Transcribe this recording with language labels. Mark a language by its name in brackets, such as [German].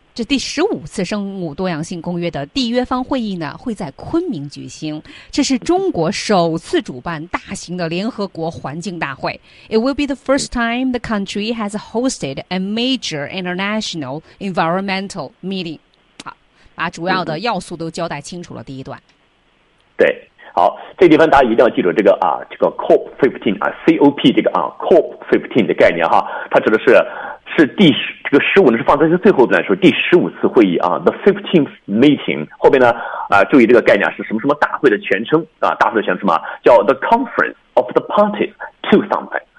[Chinese] 这第十五次生物多样性公约的缔约方会议呢，会在昆明举行。这是中国首次主办大型的联合国环境大会。 [English] It will be the first time the country has hosted a major international environmental meeting. [Chinese] 好，把主要的要素都交代清楚了。第一段，对。好，这地方大家一定要记住这个啊，这个 COP15 啊 ，COP 这个啊 COP15 的概念哈，它指的是第十这个十五呢是放在最后段说第十五次会议啊 ， [English] the 15th meeting [Chinese] 后面呢啊，注意这个概念是什么什么大会的全称啊，大会的全称什么叫 [English] the conference of the parties to something。